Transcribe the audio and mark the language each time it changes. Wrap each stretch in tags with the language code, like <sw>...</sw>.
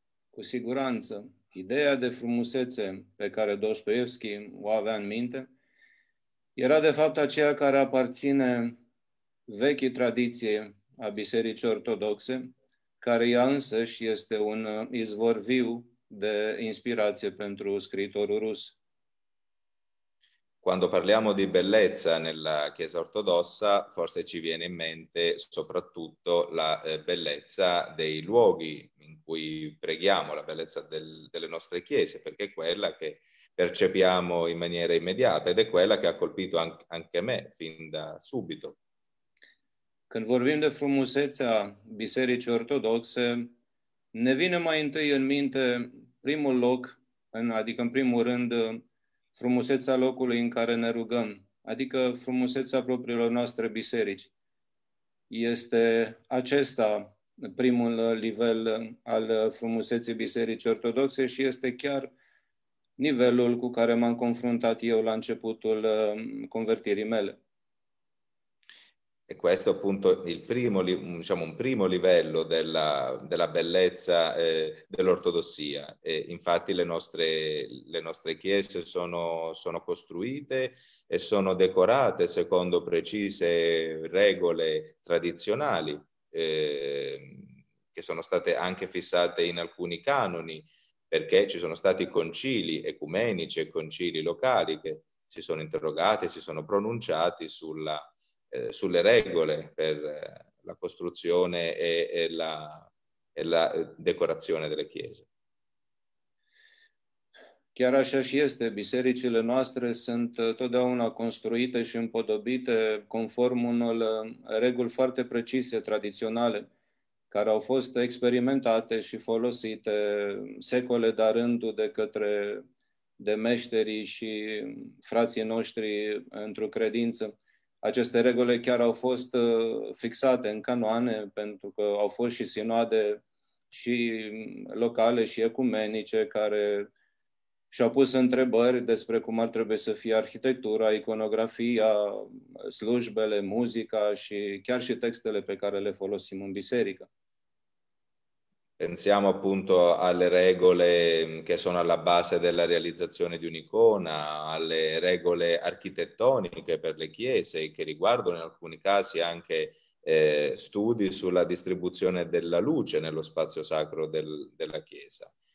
<it>Con sicurezza, l'idea di</it> <ro>frumusețe pe care Dostoevski o avea in mente era de fapt aceea care aparține vechii tradiție a Bisericii Ortodoxe, care ea însăși este un izvor viu de inspirație pentru scriitorul rus.</ro> <it>Quando parliamo di bellezza nella Chiesa Ortodossa, forse ci viene in mente soprattutto la bellezza dei luoghi in cui preghiamo, la bellezza delle nostre chiese, perché è quella che percepiamo in maniera immediata ed è quella che ha colpito anche me fin da subito.</it> <ro>Când vorbim de frumusețea Bisericii Ortodoxe, ne vine mai întâi în minte primul loc, adică în primul rând, frumusețea locului în care ne rugăm, adică frumusețea propriilor noastre biserici. Este acesta primul nivel al frumuseții Bisericii Ortodoxe și este chiar nivelul cu care m-am confruntat eu la începutul convertirii mele.</ro> <it>E questo appunto il primo, diciamo, un primo livello della bellezza dell'ortodossia. E infatti le nostre chiese sono costruite e sono decorate secondo precise regole tradizionali che sono state anche fissate in alcuni canoni, perché ci sono stati concili ecumenici e concili locali che si sono interrogati, si sono pronunciati sulle regole per la costruzione e la decorazione delle chiese.</it> <ro>Chiar așa și este, bisericile noastre sunt totdeauna construite și împodobite conform unor reguli foarte precise, tradiționale, care au fost experimentate și folosite secole de-a rândul de către demeșterii și frații noștri într-o credință. Aceste regole chiar au fost fixate în canoane, pentru că au fost și sinoade și locale și ecumenice care și-au pus întrebări despre cum ar trebui să fie arhitectura, iconografia, slujbele, muzica și chiar și textele pe care le folosim în biserică.</ro> <it>Pensiamo appunto alle regole che sono alla base della realizzazione di un'icona, alle regole architettoniche per le chiese che riguardano in alcuni casi anche studi sulla distribuzione della luce nello spazio sacro della chiesa.</it>